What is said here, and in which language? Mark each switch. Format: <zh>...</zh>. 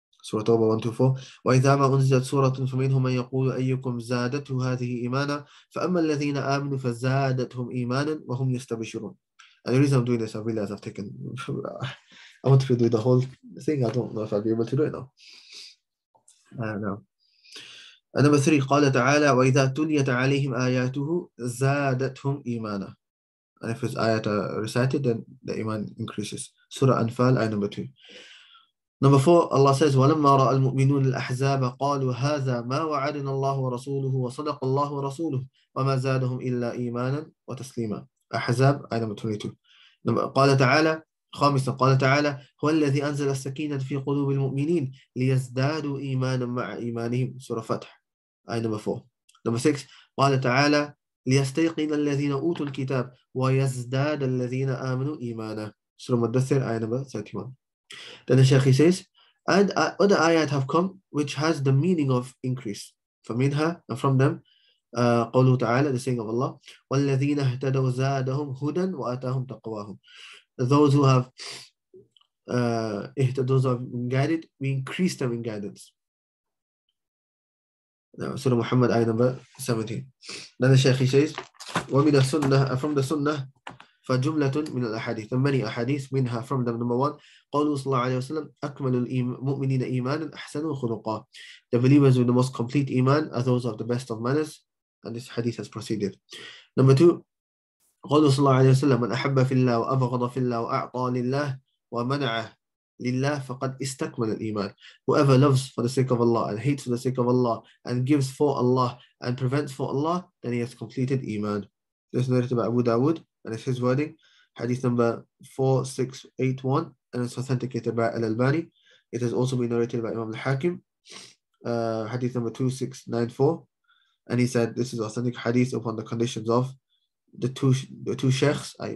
<ar>Surah Tawbah 124. وَإِذَا مَا أُنزِلَتْ سُورَةٌ فَمِنْهُمْ مَنْ يَقُولُ أَيُّكُمْ زَادَتْهُ هَذِهِ إِيمَانًا فَأَمَّا الَّذِينَ آمَنُوا فَزَادَتْهُمْ إِيمَانًا وَهُمْ يَسْتَبْشِرُونَ.</ar> <en>And the reason I'm doing this, I realize I've taken, I want to do the whole thing, I don't know if I'll be able to do it now. I don't know. And number 3,</en> <ar>قال تعالى وَإِذَا تُلِيَتْ عَلَيْهِمْ آيَاتُهُ زَادَتْهُمْ إِيمَانًا.</ar> <en>And if his ayat are recited, then the iman increases. Surah Anfal, ayah number 2. Number 4, Allah says,</en> <ar>وَلَمَّا رَأَ الْمُؤْمِنُونَ الْأَحْزَابَ قَالُوا هَذَا مَا وَعَدْنَا اللَّهُ وَرَسُولُهُ وَصَدَقَ اللَّهُ وَرَسُولُهُ وَمَا زَادَهُمْ إِلَّا إِيمَانًا وَتَسْلِيمًا.</ar> <en>Ahzab, ayah number 22.</en> <ar>قال تعالى, خامسا, قال تعالى هو الذي أنزل السكينة في قلوب المؤمنين ليزدادوا إيمانا مع إيمانهم. سورة فتح, آية</ar> <en>number 4. Number 6,</en> <ar>قال تعالى ليستيقن الذين أوتوا الكتاب ويزداد الذين آمنوا إيمانا. سورة مدثر, آية number 31.</ar> <en>Then the Sheikh says, and other ayat have come which has the meaning of increase.</en> <ar>فمنها,</ar> <en>and from them,</en> <ar>قوله تعالى,</ar> <en>the saying of Allah,</en> <ar>والذين اهتدوا زادهم هدى وآتاهم تقواهم.</ar> <en>Those who have been guided, we increase them in guidance. Now, Surah Muhammad, ayah number 17. Then the Shaykh says,</en> <ar>وَمِنَ السُنَّةِ,</ar> <en>from the sunnah,</en> <ar>فَجُمْلَةٌ مِنَ الْأَحَادِيثِ,</ar> <en>the many ahadith,</en> <ar>منها,</ar> <en>from them, number 1,</en> <ar>قَالُوا صلى الله عليه وسلم, أَكْمَلُ الْمُؤْمِنِينَ إِيمَانًا أَحْسَنُ الْخُلُقَى.</ar> <en>The believers with the most complete iman are those of the best of manners. And this hadith has proceeded.</en> <ar>Number 2, قال صلى الله عليه وسلم من أحب في الله وأبغض في الله وأعطى لله ومنع لله فقد استكمل الإيمان.</ar> <en>Whoever loves for the sake of Allah and hates for the sake of Allah and gives for Allah and prevents for Allah, then he has completed iman. This is narrated by Abu Dawood and it's his wording. Hadith number 4681 and it's authenticated by Al Albani. It has also been narrated by Imam Al Hakim. Hadith number 2694, and he said this is authentic hadith upon the conditions of the two sheikhs, i.e.</en>